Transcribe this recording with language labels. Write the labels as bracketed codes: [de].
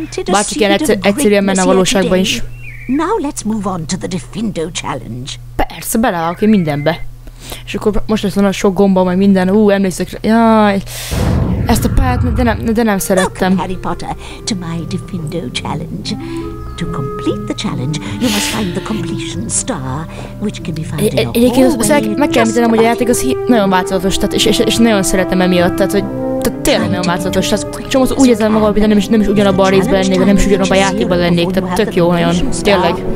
[hu] Bárcsak ilyen egyszerűen menne a valóságban is. [en] Now let's move on to the Diffindo challenge. [hu] Persze, belevállok én mindenbe. És akkor most lesz van a sok gomba, meg minden. Emlékszek rá. Jaj. Ezt a pályát, de nem szerettem. [en] Welcome, Harry Potter, to my Diffindo challenge. To complete the challenge, you must find the completion star, which can be found in your hallway. [hu] Egyébként meg kell említenem, hogy a játék az nagyon változatos, és nagyon szeretem emiatt, tehát tényleg nagyon változatos. Csomó úgy érzem magam, hogy nem is ugyanabban a részben lennék, nem is ugyanabban a játékban lennék, tehát tök jó nagyon, tényleg.